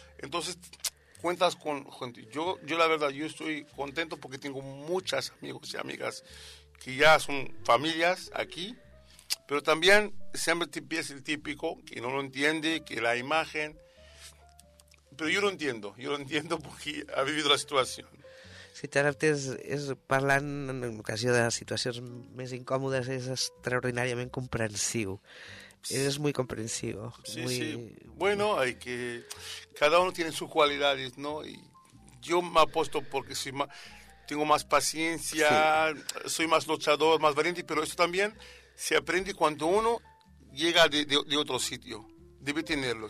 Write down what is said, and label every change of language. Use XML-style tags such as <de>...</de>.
<es>Entonces, cuentas con gente. Yo la verdad, yo estoy contento porque tengo muchas amigos y amigas que ya son familias aquí. Pero también siempre es el típico que no lo entiende, que la imagen... Pero yo lo entiendo porque ha vivido la situación.</es> <ca>Si t'adaptes és parlant en ocasió de situacions més incòmodes, és extraordinàriament comprensiu.</ca> <es>Eres muy comprensivo. Sí, muy... sí. Bueno, hay que... Cada uno tiene sus cualidades, ¿no? Y yo me apuesto porque soy más... tengo más paciencia, sí. Soy más luchador, más valiente, pero eso también se aprende cuando uno llega de otro sitio. Debe tenerlo.</es>